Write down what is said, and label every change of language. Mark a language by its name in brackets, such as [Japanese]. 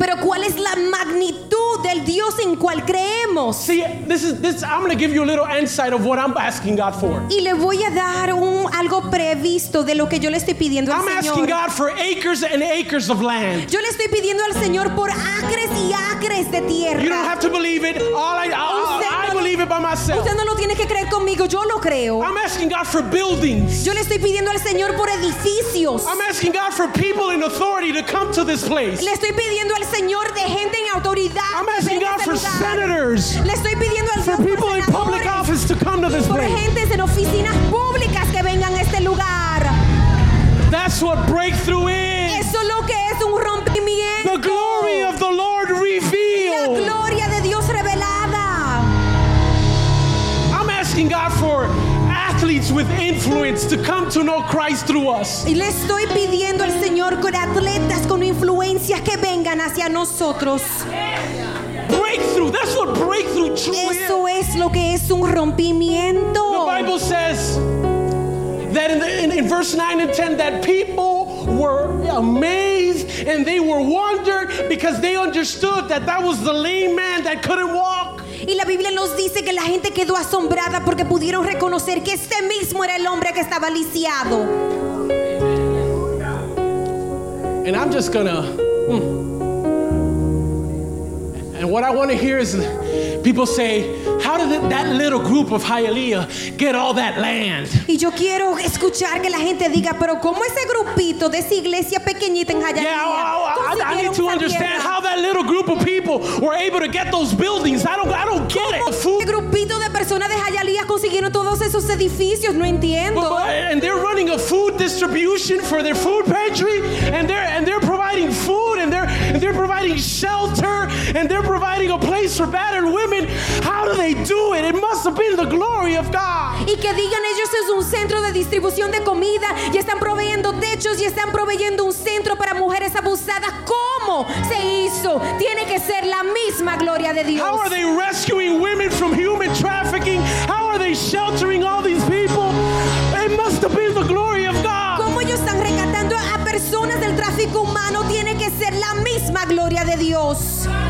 [Spanish] Pero ¿cuál es la magnitud del Dios en cual creemos? [English] See, this is I'm going to give you a little insight of what I'm asking God for. [Spanish] Y le voy a dar algo previsto de lo que yo le estoy pidiendo al Señor. [English] I'm asking God for acres and acres of land. [Spanish] Yo le estoy pidiendo al Señor por acres y acres de tierra. [English] You don't have to believe it. I believe it by myself. [Spanish] Usted no lo tiene que creer conmigo, yo lo creo. [English] I'm asking God for buildings. [Spanish] Yo le estoy pidiendo al Señor por edificios. [English] I'm asking God for people in authority to come to this place. [Spanish] Le estoy pidiendo al Señor de gente en autoridad. [English] I'm asking God for senators. [Spanish] Le estoy pidiendo al [English] for people in public office to come to this [Spanish] por [English] place. [Spanish] Por gente en oficinas públicas que vengan a este lugar. [English] That's what breakthrough is. [Spanish] Eso lo que es un rompimiento. [English] The glory of the Lord revealed. [Spanish] La gloria de Dios revelada. [English] I'm asking God for athletes with influence to come to know Christ through us. [Spanish] Y le estoy pidiendo al Señor con atletas con influencia que vengan hacia nosotros. [English] Breakthrough. That's what breakthrough truly [Spanish] is. Eso es lo que es un rompimiento. [English] The Bible says that in verse 9 and 10 that people were amazed and they were wondered because they understood that that was the lame man that couldn't walk. [Spanish] Y la Biblia nos dice que la gente quedó asombrada porque pudieron reconocer que este mismo era el hombre que estaba lisiado. [English] And I'm just gonna And what I want to hear is people say, how did that little group of Hialeah get all that land? [Spanish] Y yo quiero escuchar que la gente diga, pero cómo ese grupito de esa iglesia pequeñita en Hialeah consiguieron esa tierra? [English] I need to understand how that little group of people were able to get those buildings. I don't get it. [Spanish] ¿Cómo ese grupito de personas de Hialeah consiguieron todos esos edificios? No entiendo. [English] And they're running a food distribution for their food pantry, and they're providing food, and they're providing shelter, and they're providing a place for battered women. How do they do it? It must have been the glory of God. [Spanish] Y que digan ellos es un centro de distribución de comida y están proveyendo techos y están proveyendo un centro para mujeres abusadas. ¿Cómo se hizo? Tiene que ser la misma gloria de Dios. [English] How are they rescuing women from human trafficking? How are they sheltering all these people? It must have been the glory of God. [Spanish] ¿Cómo ellos están rescatando a personas del tráfico humano? Tiene que ser la misma gloria de Dios.